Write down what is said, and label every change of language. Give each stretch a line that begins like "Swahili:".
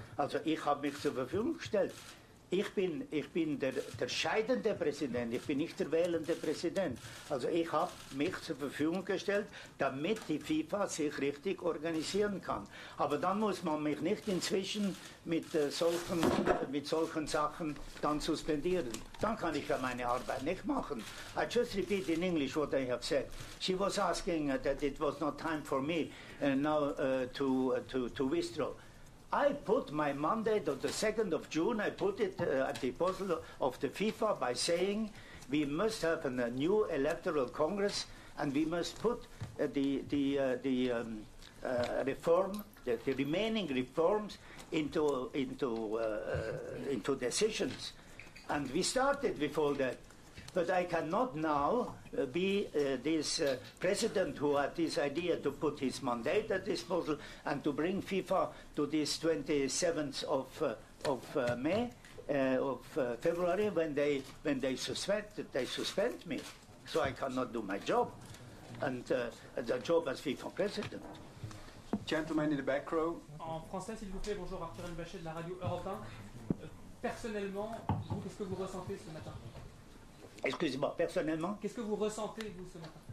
German: Also ich habe mich zur Verfügung gestellt. Ich bin der scheidende Präsident, ich bin nicht der wählende Präsident. Also ich habe mich zur Verfügung gestellt, damit die FIFA sich richtig organisieren kann. Aber dann muss man mich nicht inzwischen mit solchen Sachen dann suspendieren. Dann kann ich ja meine Arbeit nicht machen.
English: I just repeat in English what I have said. She was asking that it was not time for me now to withdraw. I put my mandate on the 2nd of June, I put it at the disposal of the FIFA by saying we must have a new electoral congress and we must put the reform, the remaining reforms into decisions. And we started with all that. But I cannot now be this president who had this idea to put his mandate at disposal and to bring FIFA to this 27th of May, of February, when they suspend me. So I cannot do my job, and the job as FIFA president. Gentlemen in the back row.
French: En français, s'il vous plaît, bonjour, Arthur Elbachet de la radio Europe 1. Personnellement, vous, qu'est-ce que vous ressentez ce matin? Excusez-moi, personnellement. Qu'est-ce que vous ressentez, vous, ce matin?